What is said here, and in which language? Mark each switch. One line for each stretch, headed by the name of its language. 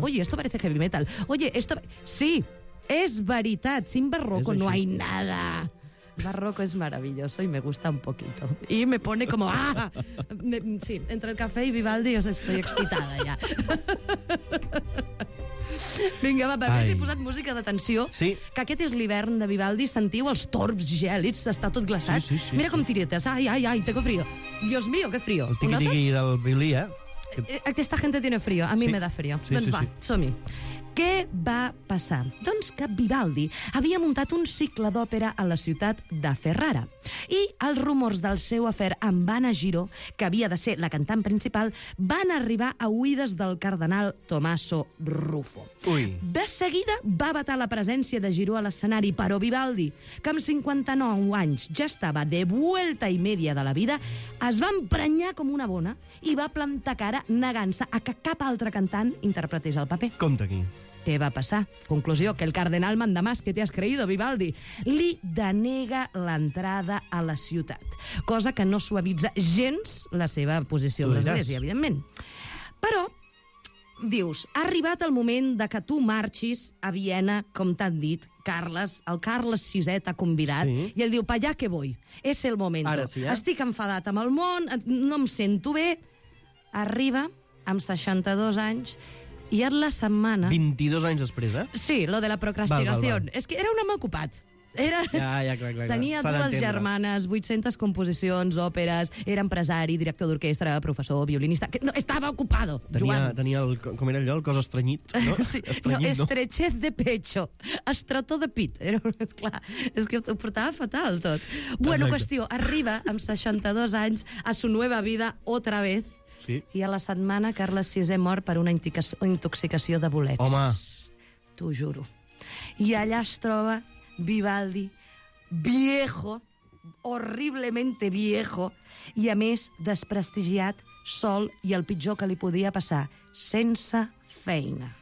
Spanish: Oye, esto parece heavy metal. Oye, esto...
Catalan: Sí, és veritat.
Spanish: Sin barroco no hay nada. Barroco es maravilloso y me gusta un poquito. Y me pone como... ¡Ah! Sí, entre el café y Vivaldi os estoy excitada ya.
Catalan: Vinga, va, perquè s'hi he posat música de tensió. Sí. Que aquest és l'hivern de Vivaldi. Sentiu els torbs gèlids, està tot glaçat. Sí, sí, sí. Mira sí. Com tiretes.
Spanish: Ai, ai, ai, tengo frío. Dios mío, qué frío.
Catalan: El tiqui-tiqui del Billy, eh?
Spanish: Aquesta gente tiene frío. A mi me da frío.
Catalan: Sí, doncs sí, va, sí. Som-hi. Què va passar? Doncs que Vivaldi havia muntat un cicle d'òpera a la ciutat de Ferrara. I els rumors del seu afer amb Anna Giró, que havia de ser la cantant principal, van arribar a oïdes del cardenal Tommaso Ruffo. Ui. De seguida va vetar la presència de Giró a l'escenari, però Vivaldi, que amb 59 anys ja estava de vuelta i media de la vida, es va emprenyar com una bona i va plantar cara negant-se a que cap altre cantant interpretés el paper. Compte aquí. Què va passar? Conclusió, que el cardenal
Spanish: manda más, que te has creído,
Catalan: Vivaldi. Li denega l'entrada a la ciutat, cosa que no suavitza gens la seva posició a l'església, evidentment. Però, dius, ha arribat el moment de que tu marxis a Viena, com t'han dit, Carles, el Carles VI t'ha convidat, sí. I ell diu,
Spanish: pa allà que voy, es el momento.
Catalan: Ara sí, eh? Estic enfadat amb el món, no em sento bé. Arriba, amb 62 anys, i en la setmana... 22 anys després, eh? Sí, lo de la procrastinació. És que era un home ocupat. Era... Ja, clar. Tenia dues germanes, 800 composicions, òperes, era empresari, director d'orquestra, professor, violinista... No, estava ocupado, tenia, Joan. Tenia, el, com era allò, el cos estrenyit, no? Sí, estrenyit, no,
Spanish: estrechez de pecho,
Catalan: estrató de pit. Era, clar, és que ho portava fatal, tot. Exacte. Bueno, qüestió, arriba amb 62 anys
Spanish: a su nueva vida otra vez.
Catalan: Sí. I a la setmana, Carles VI mort per una intoxicació de bolets. Home! T'ho juro. I allà es troba Vivaldi,
Spanish: viejo, horriblemente viejo,
Catalan: i a més, desprestigiat, sol, i el pitjor que li podia passar, sense feina.